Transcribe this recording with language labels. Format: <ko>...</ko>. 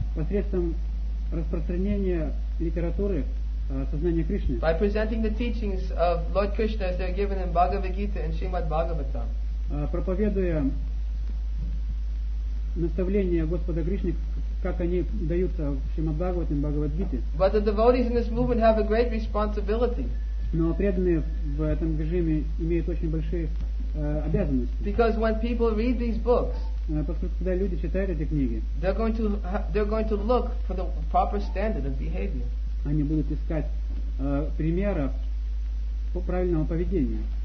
<ru>Посредством распространения литературы сознание Кришны.</ru> <en>By presenting the teachings of Lord Krishna as they're given in Bhagavad Gita and Srimad Bhagavatam.</en> <ru>Проповедуя наставления Господа Кришны, как они даются в Шримад Бхагаватам и Бхагавад Гите.</ru> <en>But the devotees in this movement have a great responsibility.</en> <ru>Но преданные в этом режиме имеют очень большие обязанности.</ru> <en>Because when people read these books,</en> <ru>когда люди читают эти книги,</ru> <en>they're going to look for the proper standard of behavior.</en> <ru>Они будут искать примера правильного поведения.</ru>